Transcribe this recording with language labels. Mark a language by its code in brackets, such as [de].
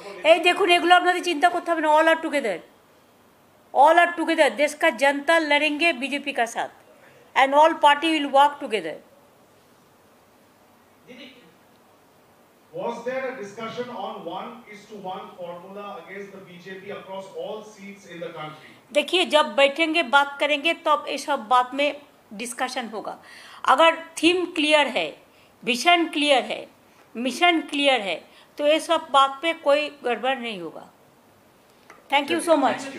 [bn] এই দেখুন, এগুলো আপনাদের চিন্তা করতে হবে না। [en] all are together, all are together, [hi] দেশ কা জনতা লড়েঙ্গে বিজেপি কা সাথ, [en] And all party will work together. Was there a discussion on 1:1 formula against the BJP across all seats in the country? [hi] देखिए, जब बैठेंगे बात करेंगे तब ये सब बात में डिस्कशन होगा। अगर थीम क्लियर है, विजन क्लियर है, मिशन क्लियर है, तो ये सब बात पे कोई गड़बड़ नहीं होगा। [en] Thank you so much.